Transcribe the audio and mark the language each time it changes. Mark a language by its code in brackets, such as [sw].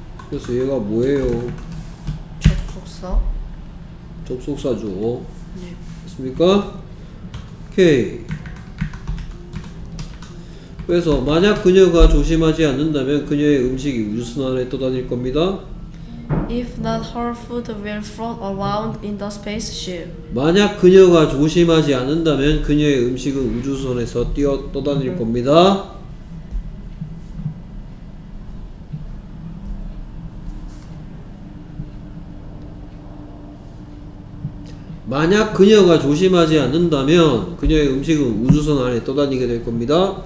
[ko] 그래서 얘가 뭐예요? 접속사. 접속사죠. 네. 맞습니까? 오케이. 그래서 만약 그녀가 조심하지 않는다면 그녀의 음식이 우주선안에 떠다닐 겁니다. [en] If not, her food will float around in the spaceship. [ko] 만약 그녀가 조심하지 않는다면 그녀의 음식은 우주선에서 떠다닐 겁니다. 만약 그녀가 조심하지 않는다면 그녀의 음식은 우주선 안에 떠다니게 될 겁니다.